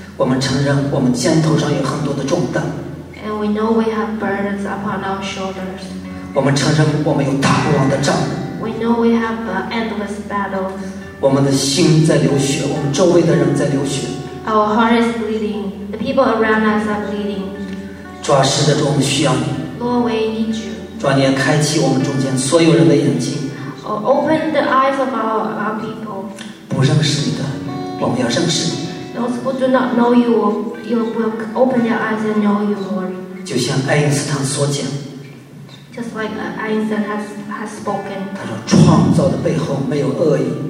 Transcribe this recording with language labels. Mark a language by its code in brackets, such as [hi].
[zh] 我们承认我们肩头上有很多的重担。 [en] And we know we have burdens upon our shoulders. [zh] 我们承认我们有打不完的仗。 [en] We know we have endless battles. [zh] 我们的心在流血，我们周围的人在流血。 [en] Our heart is bleeding. The people around us are bleeding. [zh] 主啊，是的，主，我们需要你。 [en] Lord, we need you. [zh] 主啊，你要开启我们中间所有人的眼睛。 [en] Open the eyes of our people. [zh] 不认识你的，我们要认识你。 [en] Those who do not know you, you will open your eyes and know you, Lord. [zh] 就像爱因斯坦所讲。 [en] Just like Einstein has spoken. [zh] 他说，创造的背后没有恶意。